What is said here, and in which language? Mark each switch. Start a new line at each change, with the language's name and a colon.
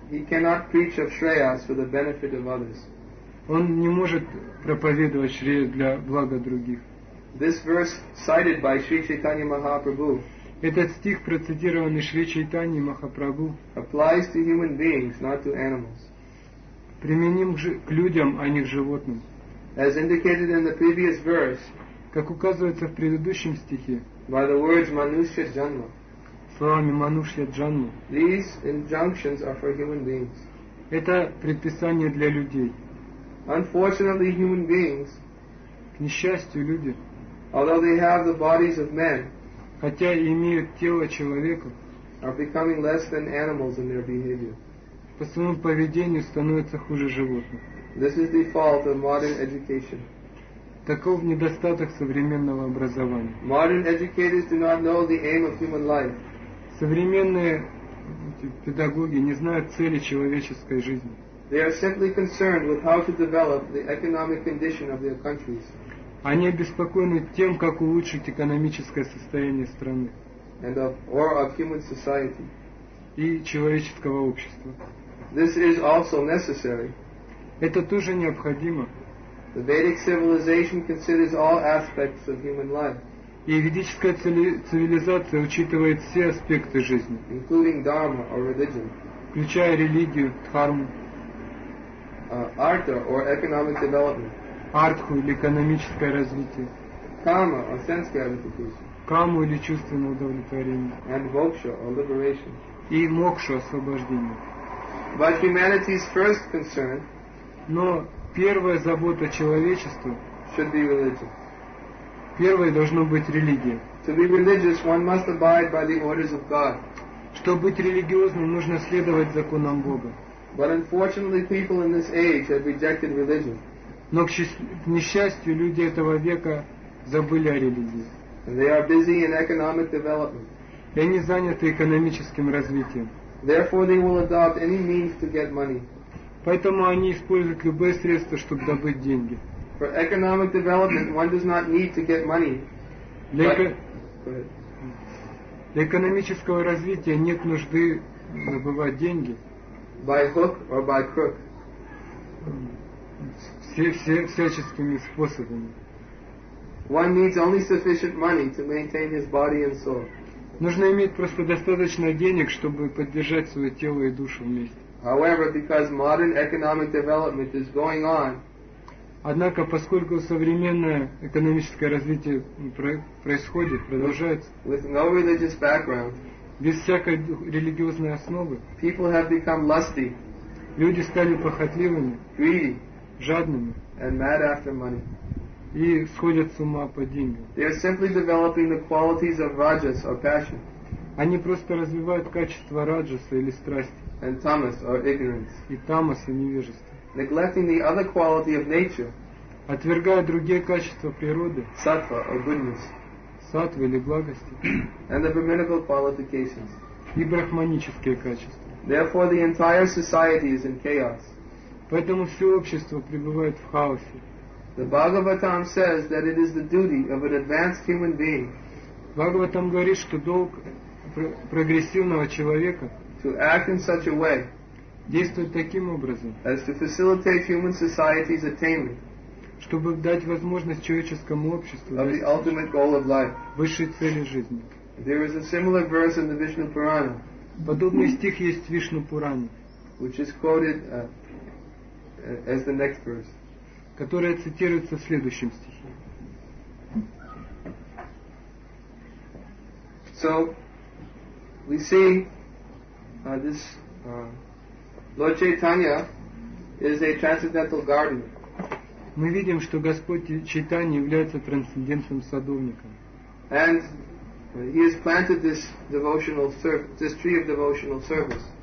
English: He cannot preach of shreyas for the benefit of others.
Russian: Он не может проповедовать шреяс для блага других.
English: This verse cited by Sri Chaitanya Mahaprabhu.
Russian: Этот стих, процитированный Шри Чайтаньей Махапрабху,
English: applies to human beings, not to animals.
Russian: Применим к людям, а не к животным.
English: As indicated in the previous verse,
Russian: как указывается в предыдущем стихе,
English: by the words manushya janma.
Russian: Словами манушья джанма.
English: These injunctions are for human beings.
Russian: Это предписание для людей.
English: Unfortunately, human beings,
Russian: к несчастью, люди,
English: although they have the bodies of men,
Russian: хотя и имеют тело человека,
English: are becoming less than animals in their behavior.
Russian: По своему поведению становятся хуже животных.
English: This is the fault of modern education.
Russian: Таков недостаток современного образования.
English: Modern educators do not know the aim of human life.
Russian: Современные педагоги не знают цели человеческой жизни.
English: They are simply concerned with how to develop the economic condition of their countries.
Russian: Они обеспокоены тем, как улучшить экономическое состояние страны.
English: And of, or of human society.
Russian: И человеческого общества.
English: This is also necessary.
Russian: Это тоже необходимо.
English: The Vedic civilization considers all aspects of human life.
Russian: И ведическая цивилизация учитывает все аспекты жизни.
English: Including dharma or religion.
Russian: Включая религию, дхарму.
English: Artha or economic development.
Russian: Артху или экономическое развитие.
English: Karma or sense gratification.
Russian: Карму или чувственное удовлетворение.
English: And moksha or liberation.
Russian: И мокшу, освобождение.
English: But humanity's first concern.
Russian: Но первая забота человечества.
English: Should be religion.
Russian: Первой должно быть религия.
English: To be religious, one must abide by the orders of God.
Russian: Чтобы быть религиозным, нужно следовать законам Бога.
English: But unfortunately, people in this age have rejected religion.
Russian: Но к несчастью, люди этого века забыли о религии.
English: And they are busy in economic development.
Russian: И они заняты экономическим развитием.
English: Therefore, they will adopt any means to get money.
Russian: Поэтому они используют любые средства, чтобы добыть деньги.
English: For economic development, one does not need to get money.
Russian: Для экономического развития нет нужды добывать деньги.
English: By hook or by crook.
Russian: Всяческими способами.
English: One needs only sufficient money to maintain his body and soul.
Russian: Нужно иметь просто достаточно денег, чтобы поддержать свое тело и душу вместе.
English: However, because modern economic development is going on,
Russian: однако, поскольку современное экономическое развитие происходит, продолжается,
English: with no religious background,
Russian: без всякой религиозной основы,
English: people have become lusty,
Russian: люди стали похотливыми,
English: greedy,
Russian: жадными,
English: and mad after money.
Russian: И сходят с ума по деньгам.
English: They are simply developing the qualities of rajas or passion.
Russian: Они просто развивают качества раджаса или страсти.
English: And tamas or ignorance.
Russian: И тамас, и невежество.
English: Neglecting the other quality of nature.
Russian: Отвергая другие качества природы.
English: Саттва or goodness.
Russian: Саттва или благости.
English: And the brahminical qualifications.
Russian: И брахманические качества.
English: Therefore, the entire society is in chaos.
Russian: Поэтому все общество пребывает в хаосе.
English: The Bhagavatam says that it is the duty of an advanced human being.
Russian: Bhagavatam говорит, что долг прогрессивного человека
English: to act in such a way,
Russian: действовать таким образом,
English: as to facilitate human society's attainment,
Russian: чтобы дать возможность человеческому обществу
English: of the ultimate goal of life,
Russian: высшей цели жизни.
English: There is a similar verse in the Vishnu Purana.
Russian: Подобный стих есть в Вишну Пуране,
English: which is quoted as the next verse.
Russian: Которая цитируется в следующем стихе.
English: So, we see this Lord Chaitanya is a transcendental gardener.
Russian: Мы видим, что Господь Чайтанья является трансцендентным садовником.
English: And he has planted this devotional this tree of devotional service.